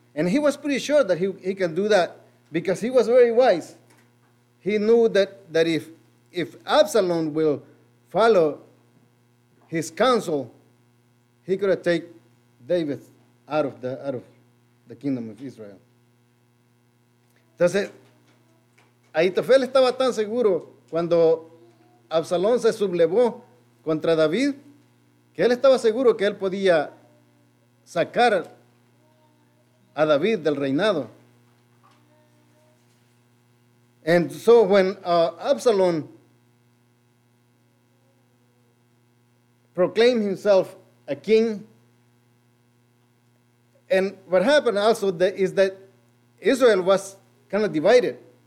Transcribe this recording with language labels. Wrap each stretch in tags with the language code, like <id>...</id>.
<en>And he was pretty sure that he can do that because he was very wise. He knew that if Absalom will follow his counsel, he could have taken David out of the kingdom of Israel.</en> <es>Entonces, Ahitofel estaba tan seguro cuando Absalón se sublevó contra David, que él estaba seguro que él podía sacar a David del reinado.</es> <en>And so when Absalom proclaimed himself a king, and what happened also is that Israel was kind of divided.</en>